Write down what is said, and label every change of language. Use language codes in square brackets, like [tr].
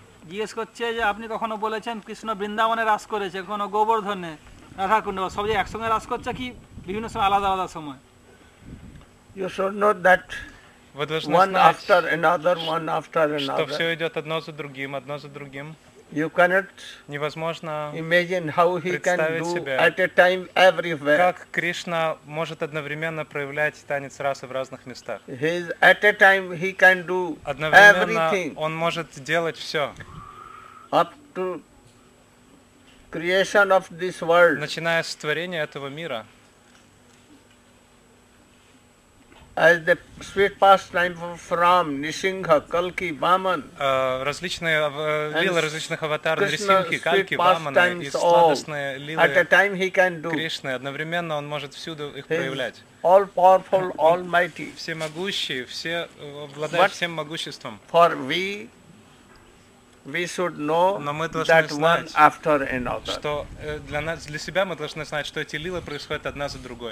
[bn] জিজ্ঞেস করছে যে আপনি কখনো বলেছেন কৃষ্ণ বৃন্দাবনে রাস করেছে, কখনো গোবর্ধনে, রাধাকুণ্ড, সব যে একসঙ্গে রাস করছে কি বিভিন্ন সময় আলাদা আলাদা সময়? [en] You should know that one after another, one after another. [ru] Что все идет одно за другим, одно за другим. [en] You cannot [ru] невозможно [en] imagine how he can do at a time everywhere. [ru] Как Кришна может одновременно проявлять танец расы в разных местах? [en] He is at a time he can do everything. [ru] Он может делать все. [en] Up to creation of this world. [ru] Начиная с творения этого мира. [en] As the sweet pastime of Ram, Nrisimha, Kalki, Vaman. [ru] Различные лилы различных аватаров, Нрисимхи, Калки, Ваманы, и сладостные лилы Кришны. Одновременно он может всюду их проявлять. [en] All powerful, almighty. [ru] Всемогущий, все обладает всем могуществом. [en] For we should know that one after another. [ru] Что для нас, для себя мы должны знать, что эти лилы происходят одна за другой.